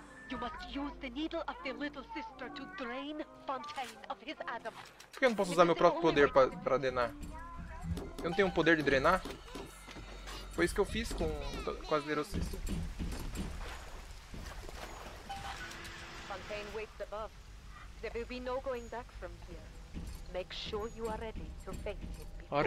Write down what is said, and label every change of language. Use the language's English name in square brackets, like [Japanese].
[English] You must use the needle of the little sister to drain Fontaine of his atom. [Portuguese] Por que eu não posso usar meu próprio poder pra drenar? Eu não tenho um poder de drenar? Foi isso que eu fiz com as [English] little sister. Fontaine waits above. There will be no going back from here. Make sure you are ready to face him before